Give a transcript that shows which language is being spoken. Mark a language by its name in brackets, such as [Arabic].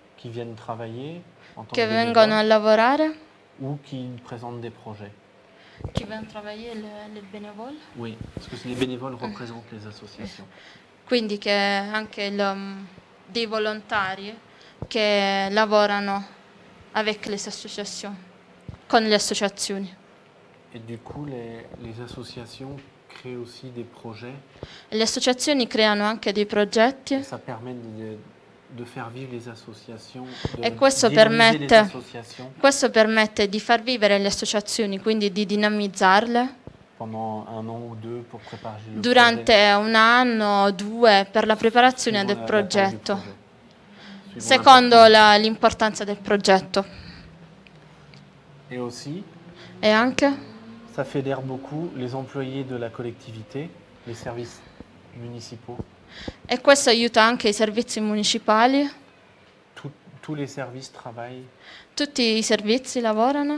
[French] qui viennent travailler [Italian] che vengono a lavorare [French] ou qui présentent des projets qui [Italian] vengono a [French] travailler les bénévoles oui parce que les bénévoles représentent les associations [Italian] quindi che anche dei volontari che lavorano [French] avec les associations [Italian] con le associazioni. [French] Et du coup, les associations créent aussi des projets. [Italian] Le associazioni creano anche dei progetti. [French] Et ça permet de faire vivre les associations. [Italian] E questo permette. Questo permette di far vivere le associazioni, quindi di dinamizzarle. [French] Pendant un an ou deux pour préparer. [Italian] Durante un anno o due per la preparazione del progetto. Secondo l'importanza del progetto. [French] Et aussi. [Italian] E anche. [French] Ça fédère beaucoup les employés de la collectivité, les services municipaux. [Italian] E questo aiuta anche i servizi municipali. [French] Tous les services travaillent. [Italian] Tutti i servizi lavorano.